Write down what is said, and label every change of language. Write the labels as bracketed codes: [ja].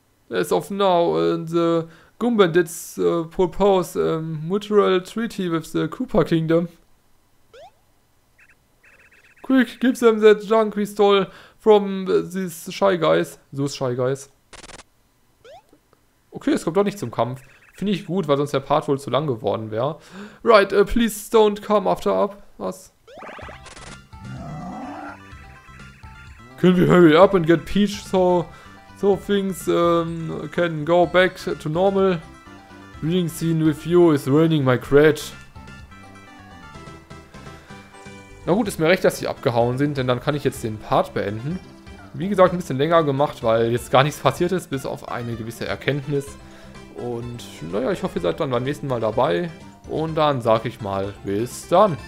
[en] As of now, the Goombandits propose a mutual treaty with the Koopa Kingdom. Quick, give them that junk we stole from these Shy Guys. Those Shy Guys. [de] Okay, es kommt doch nicht zum Kampf. Finde ich gut, weil sonst der Part wohl zu lang geworden wäre. [en] Right, please don't come after us. Can we hurry up and get Peach so things can go back to normal? Reading scene with you is ruining my cred. [de] Na gut, ist mir recht, dass sie abgehauen sind, denn dann kann ich jetzt den Part beenden. Wie gesagt, ein bisschen länger gemacht, weil jetzt gar nichts passiert ist, bis auf eine gewisse Erkenntnis. Und naja, ich hoffe, ihr seid dann beim nächsten Mal dabei. Und dann sag ich mal, bis dann.